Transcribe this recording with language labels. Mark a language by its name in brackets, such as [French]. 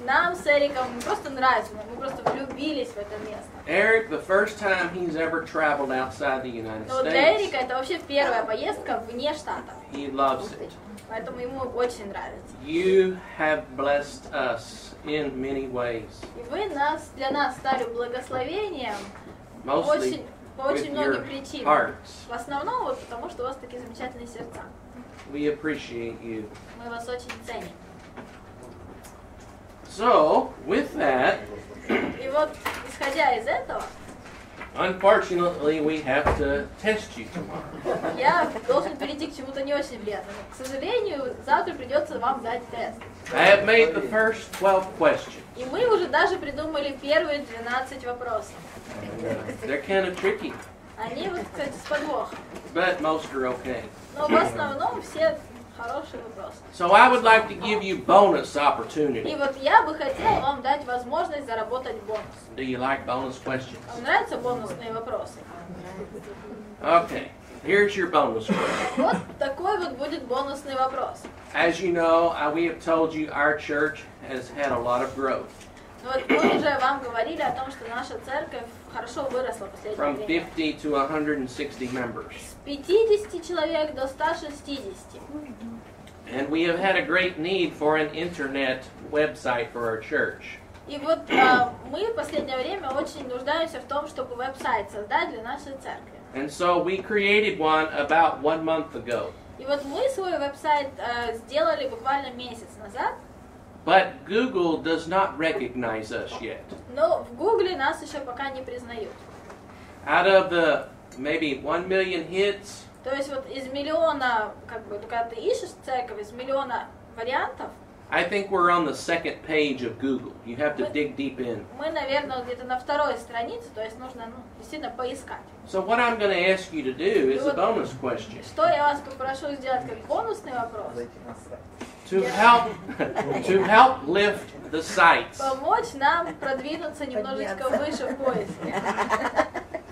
[Russian] Нам с Эриком просто нравится, мы просто влюбились в это место. [English] Eric, the first time he's ever traveled outside the United States. [Russian] Для Эрика это вообще первая поездка вне штата. [English] He loves it. [Russian] Поэтому ему очень нравится. [English] You have blessed us in many ways. [Russian] И вы нас для нас стали благословением. [English] Mostly [Russian] в основном вот потому что у вас такие замечательные сердца. [English] We appreciate you. [Russian] Мы вас очень ценим. [English] So, with that, [Russian] и вот, исходя из этого, [English] unfortunately, we have to test you tomorrow. [Russian] Я должен перейти к чему-то не очень приятному. К сожалению, завтра придется вам дать тест. [English] I have made the first 12 questions. [Russian] И мы уже даже придумали первые 12 вопросов. [English] They're kind of tricky. [Russian] Они вот, кстати, с подвохом. [English] But most are okay. [Russian] Но в основном все... [English] So I would like to give you bonus opportunity. [Russian] И вот я бы хотел вам дать возможность заработать бонус. [English] Do you like bonus questions? [Russian] Вам нравятся бонусные вопросы? [English] Okay, here's your bonus question. [Russian] Вот такой вот будет бонусный вопрос. [English] As you know, we have told you our church has had a lot of growth. [Russian] Ну вот мы уже вам говорили о том, что наша церковь хорошо выросла последние. [English] From 50 to 160 members. [Russian] С 50 человек до 160. [English] And we have had a great need for an internet website for our church. [Russian] И вот мы в последнее время очень нуждаемся в том, чтобы веб-сайт создать для нашей церкви. [English] And so we created one about 1 month ago. [Russian] И вот мы свой веб-сайт сделали буквально месяц назад. [English] But Google does not recognize us yet. [Russian] Но в Гугле нас еще пока не признают. [English] Out of the maybe 1 million hits. [Russian] То есть вот из миллиона, как бы, когда ты ищешь церковь, из миллиона вариантов. [English] I think we're on the second page of Google. You have to dig deep in. [Russian] Мы, наверное, где-то на второй странице, то есть нужно, ну, действительно поискать. [English] So what I'm going to ask you to do is a bonus question. [Russian] Что я вас попрошу сделать как бонусный вопрос? [English] To help lift the sights. [Russian] Помочь нам продвинуться немножечко выше в поиске.